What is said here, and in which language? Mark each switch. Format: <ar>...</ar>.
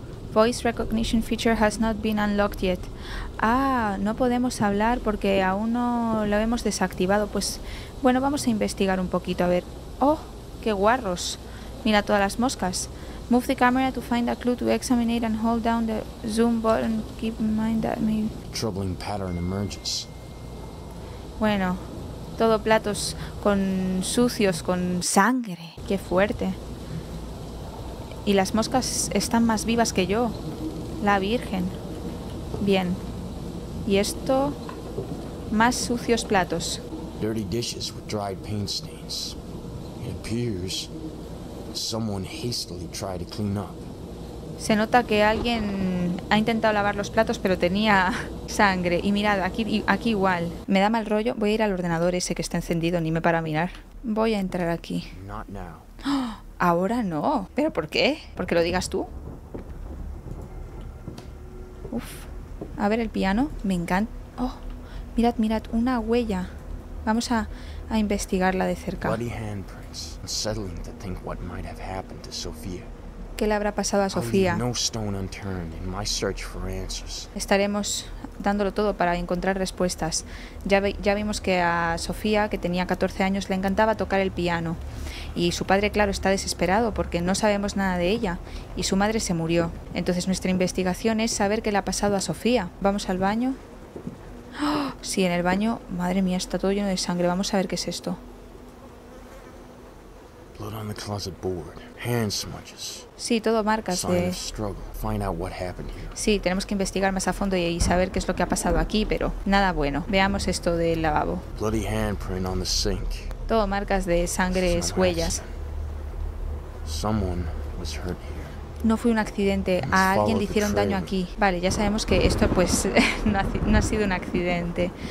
<en>Voice recognition feature has not been unlocked yet.</en> <es>Ah, no podemos hablar porque aún no lo hemos desactivado. Pues, bueno, vamos a investigar un poquito, a ver. ¡Oh, qué guarros! Mira todas las moscas.</es> <en>Move the camera to find a clue to examine it and hold down the zoom button. Keep in mind that maybe... Troubling pattern emerges.</en> <es>Bueno, todo platos con sucios, con sangre. ¡Qué fuerte! Y las moscas están más vivas que yo. La Virgen. Bien. Y esto... Más sucios platos.</es> <en>Dirty dishes with dried paint stains. It appears someone hastily tried to clean up.</en> <es>Se nota que alguien ha intentado lavar los platos, pero tenía sangre. Y mirad, aquí igual. Me da mal rollo. Voy a ir al ordenador ese que está encendido, ni me para mirar. Voy a entrar aquí.</es> <en>Not now.</en> <es>Ahora no. ¿Pero por qué? ¿Por qué lo digas tú? Uf. A ver el piano. Me encanta. Oh, mirad, mirad, una huella. Vamos a investigarla de cerca.</es> <en>Bloody handprints. Unsettling to think what might have happened to Sophia.</en> <es>¿Qué le habrá pasado a Sofía?</es> <en>No stone unturned in my search for answers.</en> <es>Estaremos dándolo todo para encontrar respuestas. Ya vimos que a Sofía, que tenía 14 años, le encantaba tocar el piano. Y su padre, claro, está desesperado porque no sabemos nada de ella. Y su madre se murió. Entonces nuestra investigación es saber qué le ha pasado a Sofía. Vamos al baño. ¡Oh! Sí, en el baño. Madre mía, está todo lleno de sangre. Vamos a ver qué es esto.</es> <en>Blood on the closet board. Hand smudges.</en> <es>Sí, todo marcas de...</es> <en>Find out what happened here.</en> <es>Sí, tenemos que investigar más a fondo y saber qué es lo que ha pasado aquí, pero nada bueno. Veamos esto del lavabo.</es> <en>Bloody handprint on the sink.</en> <es>Todo marcas de sangre, es huellas.</es> <en>Someone was hurt here.</en> <es>No fue un accidente, a alguien le hicieron daño aquí. Vale, ya sabemos que esto pues no ha sido un accidente.</es>